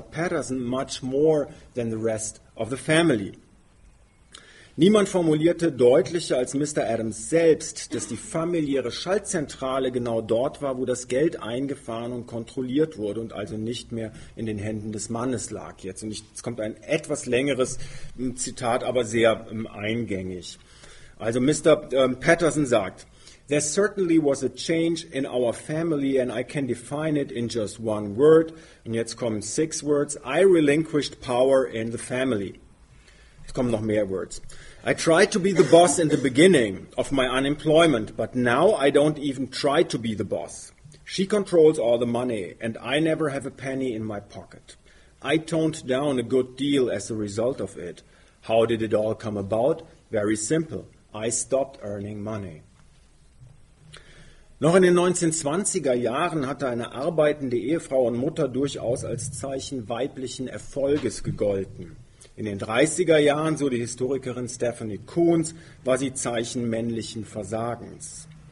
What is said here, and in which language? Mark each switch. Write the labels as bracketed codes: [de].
[en] Patterson much more than the rest of the family." [de] Niemand formulierte deutlicher als Mr. Adams selbst, dass die familiäre Schaltzentrale genau dort war, wo das Geld eingefahren und kontrolliert wurde und also nicht mehr in den Händen des Mannes lag. Jetzt, und es kommt ein etwas längeres Zitat, aber sehr eingängig. Also Mr. Patterson sagt, [en] "There certainly was a change in our family and I can define it in just one word." [de] Und jetzt kommen [en] 6 words. "I relinquished power in the family." [de] Es kommen noch mehr Words. [en] "I tried to be the boss in the beginning of my unemployment, but now I don't even try to be the boss. She controls all the money and I never have a penny in my pocket. I toned down a good deal as a result of it. How did it all come about? Very simple. I stopped earning money." [de] Noch in den 1920er Jahren hatte eine arbeitende Ehefrau und Mutter durchaus als Zeichen weiblichen Erfolges gegolten. In den 30er Jahren, so die Historikerin Stephanie Kuhns, war sie Zeichen männlichen Versagens.